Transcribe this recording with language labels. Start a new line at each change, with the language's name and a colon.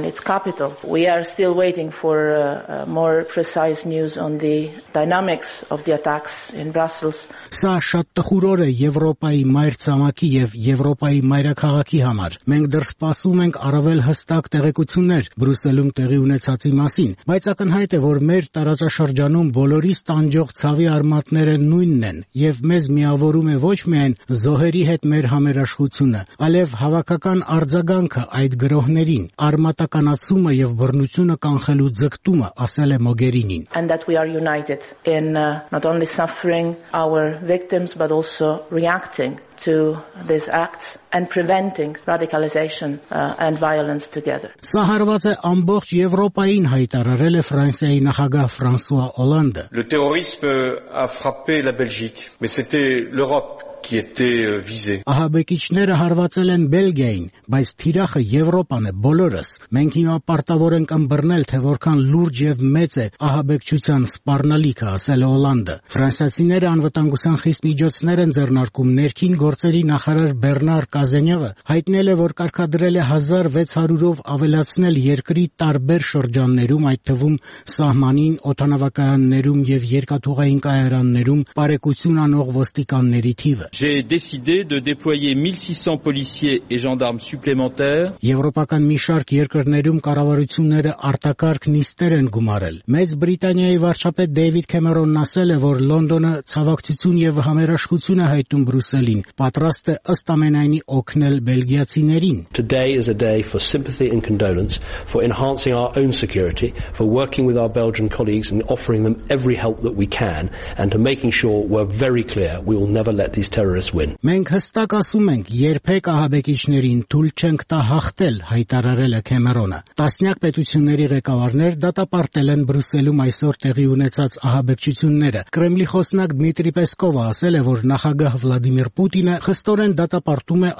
English: Still waiting for more precise news on the dynamics of the attacks in Brussels.
Armenian: Սա շատ տխուրոր է Եվրոպայի մայր ցամաքի և Եվրոպայի մայրաքաղաքի համար։ Մենք դեռ սպասում ենք առավել հստակ տեղեկություններ Բրյուսելում տեղի ունեցածի մասին, բայց ակնհայտ է, որ մեր տարածաշրջանում բոլորիս տանջող ցավի արմատները նույնն են, և մեզ միավորում է ոչ միայն զոհերի հետ մեր համերաշխությունը, այլև հավաքական արձագանքը այդ գրոհներին, արմատականացումը և բռնությունը կանխելու ձգտումը, ասել է Մոգերինին։
English: And that we are united in not only suffering our victims but also reacting to these acts and preventing radicalization and violence together.
Armenian: Սա հարված է ամբողջ Եվրոպային, հայտարարել է Ֆրանսիայի նախագահ Ֆրանսուա Օլանդը։
French: Le terrorisme a frappé la Belgique, mais c'était l'Europe qui était visé.
Armenian: Ահաբեկիչները հարվածել են Բելգիային, բայց թիրախը Եվրոպան է, բոլորս։ Մենք հիմա պարտավոր ենք ըմբռնել, թե որքան լուրջ եւ մեծ է ահաբեկչության սպառնալիքը, ասել է Օլանդը։ Ֆրանսիացիները անվտանգության խիստ միջոցներ են ձեռնարկում։ Ներքին գործերի նախարար Բեռնար Կազենյովը հայտնել է, որ կարգադրել է 1600-ով ավելացնել երկրի տարբեր շրջաններում, այդ թվում սահմանին, օդանավակայաններում եւ երկաթուղային կայարաններում պարեկություն անող ոստիկանների թիվ։
French: J'ai décidé de déployer 1600 policiers et gendarmes supplémentaires.
Armenian: Եվրոպական մի շարք երկրներում կառավարությունները արտակարգ նիստեր են գումարել։ Մեծ Բրիտանիայի վարչապետ Դեյվիդ Քեմերոնն ասել է, որ Լոնդոնը ցավակցություն եւ համերաշխություն է հայտնում Բրյուսելին, պատրաստ է ըստ ամենայնի օգնել բելգիացիներին։
English: Today is a day for sympathy and condolence, for enhancing our own security, for working with our Belgian colleagues and offering them every help that we can, and to making sure we're very clear we will never let these terrorists win.
Armenian: Մենք հստակ ասում ենք, երբեք ահաբեկիչներին թույլ չենք տա հաղթել, հայտարարել է Քեմերոնը։ Տասնյակ պետությունների ղեկավարներ դատապարտել են Բրյուսելում այսօր տեղի ունեցած ահաբեկչությունները։ Կրեմլի խոսնակ Դմիտրի Պեսկովը ասել է, որ նախագահ Վլադիմիր Պուտինը խստորեն դատապարտում է